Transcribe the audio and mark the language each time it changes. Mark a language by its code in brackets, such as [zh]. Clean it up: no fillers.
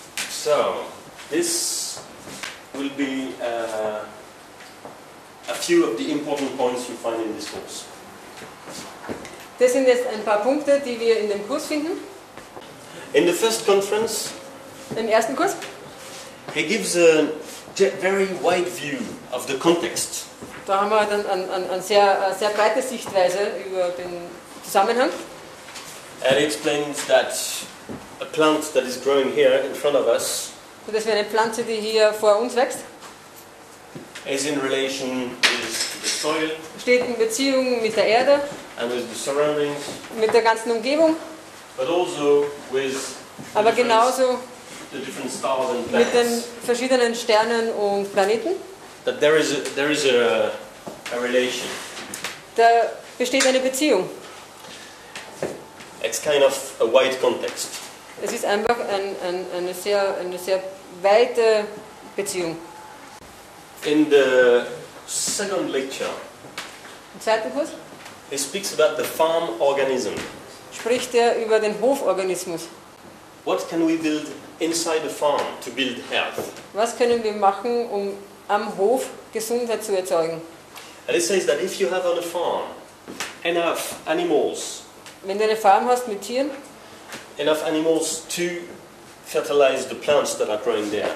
[en] So, this will be a few of the important points you find in this course. [de] Das sind jetzt ein paar Punkte, die wir in dem Kurs finden. [en] In the first conference, [de] im ersten Kurs, [en] he gives a very wide view of the context. [de] Da haben wir dann eine sehr, sehr breite Sichtweise über den Zusammenhang. [en] And he explains that a plant that is growing here in front of us, [de] das wäre eine Pflanze, die hier vor uns wächst, [en] is in relation with the soil, [de] steht in Beziehung mit der Erde, [en] and with the surroundings, [de] mit der ganzen Umgebung, [en] but also with [de] aber genauso [en] the different stars and planets, [de] mit den verschiedenen Sternen und Planeten, [en] that there is a relation. [de] Da besteht eine Beziehung. [en] It's kind of a wide context. [de] Es ist einfach eine sehr weite Beziehung. [en] In the second lecture, [de] im zweiten Kurs, [en] he speaks about the farm organism. [de] Spricht er über den Hoforganismus. [en] What can we build inside the farm to build health? [de] Was können wir machen, um am Hof Gesundheit zu erzeugen? [en] And he says that if you have on a farm enough animals, [de] wenn du eine Farm hast mit Tieren, [en] enough animals to fertilize the plants that are growing there,